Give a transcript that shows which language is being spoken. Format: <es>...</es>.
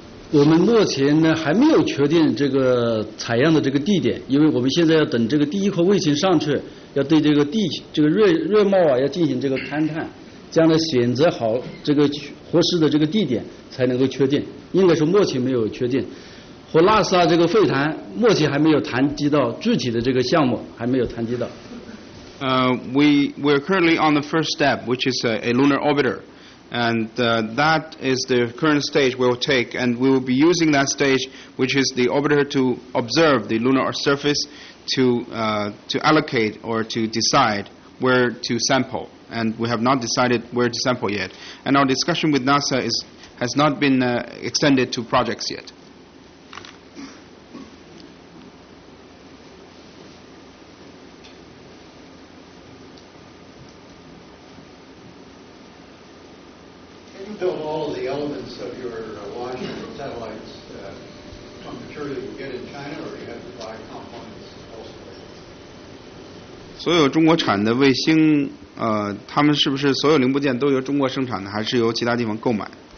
<zh>我们目前呢还没有确定这个采样的这个地点，因为我们现在要等这个第一颗卫星上去，要对这个地这个热貌啊要进行这个勘探。将来选择好这个合适的这个地点才能够确定，应该说目前没有确定。和拉萨这个会谈，目前还没有谈及到具体的这个项目，还没有谈及到。</zh> <en>We're currently on the first step, which is a lunar orbiter, and that is the current stage we will take, and we will be using that stage, which is the orbiter, to observe the lunar surface, to allocate or to decide where to sample. And we have not decided where to sample yet. And our discussion with NASA has not been extended to projects yet. Can you build all of the elements of your launch satellites from material you get in China, or do you have to buy components elsewhere?</en> <zh>所有中国产的卫星 他们是不是所有零部件都由中国生产的，还是由其他地方购买？</zh>